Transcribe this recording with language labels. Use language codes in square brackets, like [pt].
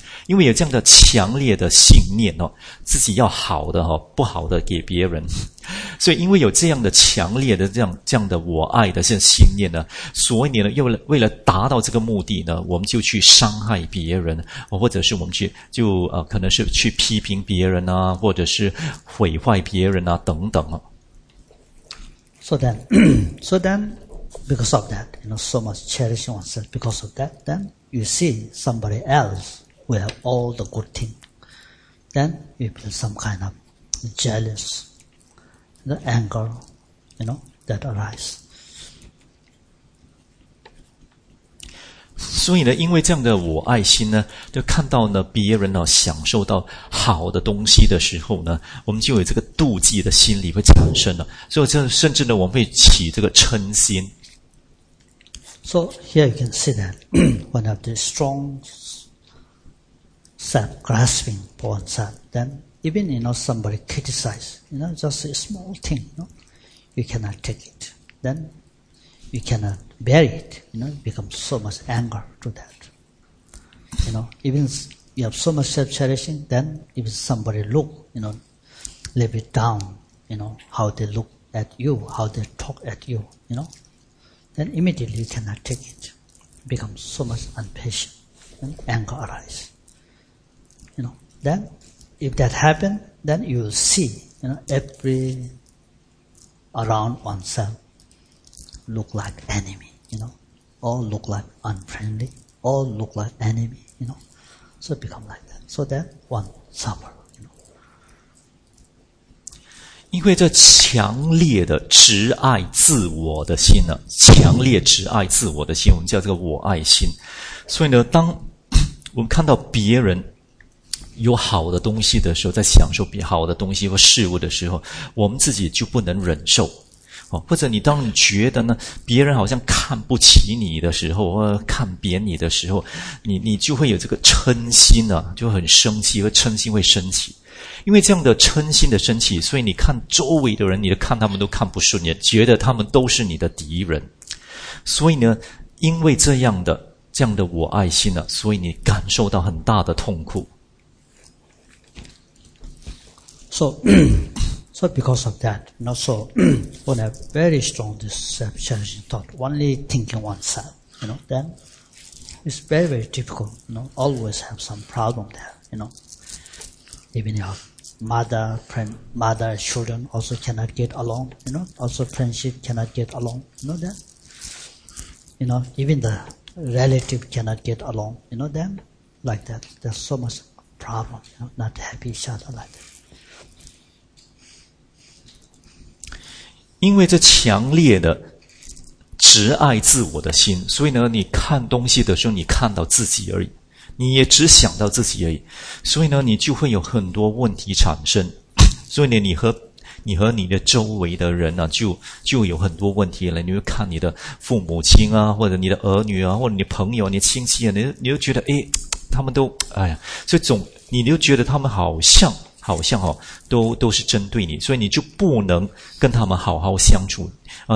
[zh] 因为有这样的强烈的信念，自己要好的不好的给别人，所以因为有这样的强烈的这样的我爱的信念呢，所以呢又为了达到这个目的呢，我们就去伤害别人，或者是我们去可能是去批评别人啊，或者是毁坏别人啊等等。 [en] So then, because of that, you know, so much cherishing oneself, because of that, then you see somebody else who have all the good things. Then you feel some kind of jealous, the anger, you know, that arise. 所以呢，因为这样的我爱心呢，就看到呢别人呢享受到好的东西的时候呢，我们就有这个妒忌的心理会产生了，所以甚至呢，我们会起这个嗔心。 So here you can see that one of the strong self grasping for oneself. Then even you know somebody criticize, you know, just a small thing, you know, you cannot take it. Then you cannot bear it. You know, become so much anger to that. You know, even you have so much self cherishing. Then even somebody look, you know, leave it down. You know how they look at you, how they talk at you. You know. Then immediately you cannot take it, become so much impatient, and anger arise. You know, then if that happen, then you will see, you know, every around oneself look like enemy, you know, all look like unfriendly, all look like enemy, you know, so become like that. So then one suffer. [zh] 因为这强烈的执爱自我的心呢，强烈执爱自我的心，我们叫这个我爱心。所以呢，当我们看到别人有好的东西的时候，在享受好的东西或事物的时候，我们自己就不能忍受。或者你当你觉得呢，别人好像看不起你的时候，或看扁你的时候，你就会有这个嗔心呢，就很生气，和嗔心会升起。因为这样的嗔心的升起，所以你看周围的人，你看他们都看不顺眼，觉得他们都是你的敌人。所以呢，因为这样的我爱心呢，所以你感受到很大的痛苦。 [en] So because of that, you know, so one have very strong this self-cherishing thought, only thinking oneself, you know, then it's very very difficult, you know, always have some problem there, you know. Even your mother, friend, mother, children also cannot get along, you know, also friendship cannot get along, you know that? You know, even the relative cannot get along, you know them? Like that, there's so much problem, you know, not happy each other like that. [zh] 因为这强烈的执爱自我的心，所以呢，你看东西的时候，你看到自己而已。你也只想到自己而已，所以呢，你就会有很多问题产生。所以呢，你和你的周围的人呢、啊，就有很多问题了。你就看你的父母亲啊，或者你的儿女啊，或者你朋友、你亲戚啊，你就觉得，哎，他们都，哎呀，所以总你就觉得他们好像哦，都是针对你，所以你就不能跟他们好好相处啊。